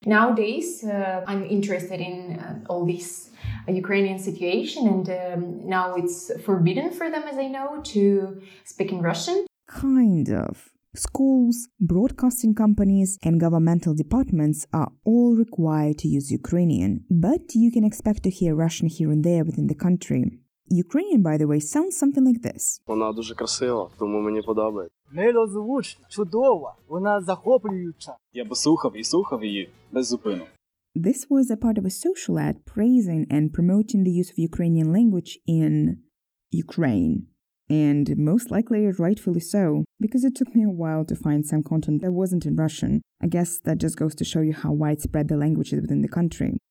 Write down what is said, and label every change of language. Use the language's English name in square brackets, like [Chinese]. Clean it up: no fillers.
[English] Nowadays, I'm interested in all this Ukrainian situation, and now it's forbidden for them, as I know, to speak in Russian. Kind of. Schools, broadcasting companies, and governmental departments are all required to use Ukrainian, but you can expect to hear Russian here and there within the country. Ukrainian, by the way, sounds something like this. [Ukrainian] Вона дуже красива, тому мені подобається. Нелозвучна, чудова, вона захоплююча. Я б слухав і слухав її без зупину. [English] This was a part of a social ad praising and promoting the use of Ukrainian language in Ukraine. And most likely rightfully so, because it took me a while to find some content that wasn't in Russian. I guess that just goes to show you how widespread the language is within the country.